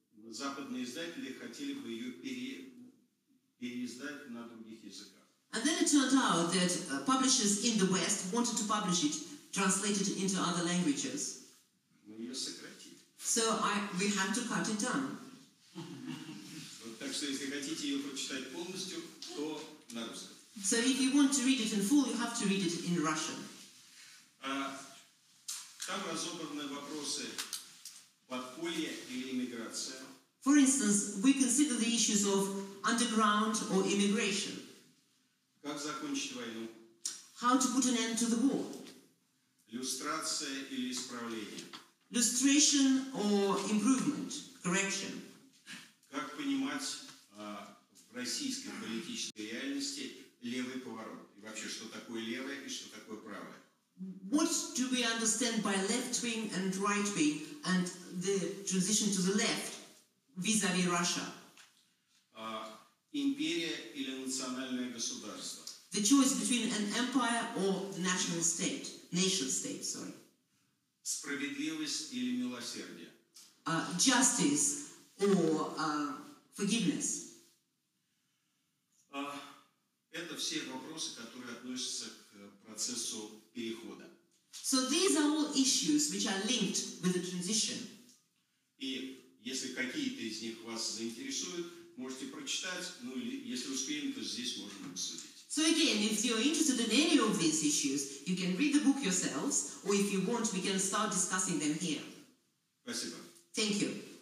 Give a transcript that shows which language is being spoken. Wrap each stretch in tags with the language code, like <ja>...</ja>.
<ru>западные издатели хотели бы ее переиздать на других языках.</ru> <en>And then it turned out that publishers in the West wanted to publish it translated into other languages.</en> <ru>Мы ее сократили.</ru> <en>So we had to cut it down.</en> <ru>Так что если хотите ее прочитать полностью, то на русском.</ru> <en>So if you want to read it in full, you have to read it in Russian.</en> <ru>Там разобраны вопросы подполья или иммиграция.</ru> <en>For instance, we consider the issues of underground or immigration.</en> <ru>Как закончить войну?</ru> <en>How to put an end to the war?</en> <ru>Люстрация или исправление?</ru> <en>Lustration or improvement, correction.</en> <ru>Как понимать в российской политической реальности левый поворот? И вообще, что такое левое и что такое правое?</ru> <en>What do we understand by left-wing and right-wing and the transition to the left vis-à-vis Russia?</en> <ru>Империя или национальное государство?</ru> <en>The choice between an empire or the national state, nation state, sorry.</en> <ru>Справедливость или милосердие?</ru> <en>Justice or forgiveness.</en> <ru>Это все вопросы, которые относятся к процессу перехода.</ru> <en>So these are all issues which are linked with the transition.</en> <ru>И если какие-то из них вас заинтересуют, можете прочитать, ну или если успеем, то здесь можем обсудить.</ru> <en>So again, if you're interested in any of these issues, you can read the book yourselves, or if you want, we can start discussing them here.</en> <ru>Спасибо.</ru> <en>Thank you.</en>